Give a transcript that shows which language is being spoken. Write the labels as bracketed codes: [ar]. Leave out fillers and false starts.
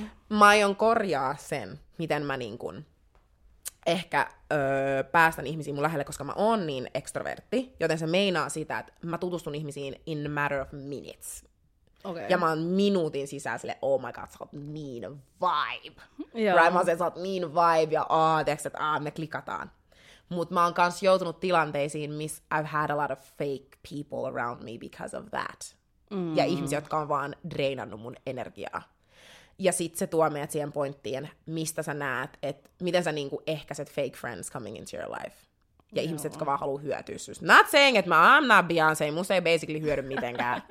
[fi] Mä aion korjaa sen, miten mä niin kun ehkä päästän ihmisiin mun lähelle, koska mä oon niin ekstrovertti, joten se meinaa sitä, että mä tutustun ihmisiin [en] in a matter of minutes. Okay. [fi] Ja mä oon minuutin sisään sille, [en] oh my god, [fi] sä oot niin vibe. [en] Yeah. Right? [fi] Mä oon sen, sä oot niin vibe, ja me klikataan. Mut mä oon kans joutunut tilanteisiin, miss [en] I've had a lot of fake people around me because of that. Mm. [fi] Ja ihmisiä, jotka on vaan dreinannut mun energiaa. Ja sit se tuo meidät siihen pointtiin, mistä sä näet, että miten sä niinku ehkäiset [en] fake friends coming into your life. [fi] Ja ihmiset, jotka vaan haluaa hyötyä susta. [en] Not saying, [fi] että mä am not Beyonce, musta ei basically hyödy mitenkään.